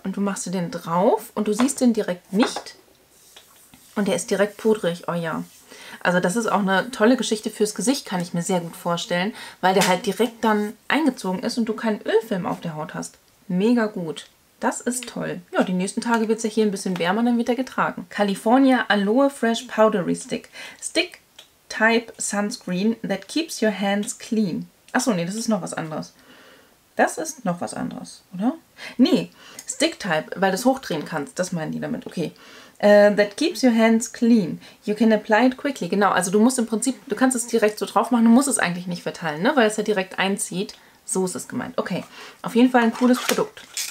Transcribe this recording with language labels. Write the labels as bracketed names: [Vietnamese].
[German] Und du machst den drauf und du siehst den direkt nicht und der ist direkt pudrig, oh ja. Also das ist auch eine tolle Geschichte fürs Gesicht, kann ich mir sehr gut vorstellen, weil der halt direkt dann eingezogen ist und du keinen Ölfilm auf der Haut hast. Mega gut. Das ist toll. Ja, die nächsten Tage wird es ja hier ein bisschen wärmer, dann wird er getragen. [English] California Aloe Fresh Powdery Stick. Stick Type Sunscreen that keeps your hands clean. [German] Achso, nee, das ist noch was anderes. Das ist noch was anderes, oder? Nee, Stick Type, weil du es hochdrehen kannst. Das meinen die damit, okay. [English] That keeps your hands clean. You can apply it quickly. [German] Genau, also du musst im Prinzip, du kannst es direkt so drauf machen. Du musst es eigentlich nicht verteilen, ne? Weil es ja direkt einzieht. So ist es gemeint. Okay, auf jeden Fall ein cooles Produkt.